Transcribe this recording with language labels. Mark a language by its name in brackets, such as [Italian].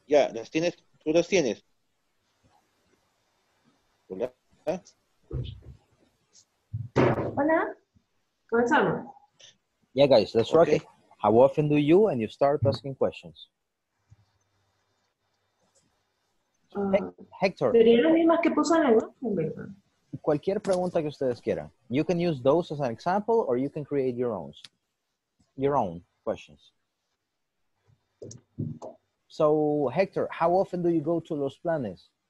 [Spanish] Yeah, las tienes. Tú las tienes. Hola. Hola. Comenzamos. [English] Yeah, guys, let's rock it. How often do you and you start asking questions? Hector. [Spanish] Serían las mismas que puso en el grupo, ¿verdad? Cualquier pregunta que ustedes quieran. [English] You can use those as an example or you can create your own. Your own questions. So, Hector, how often do you go to Los Planes?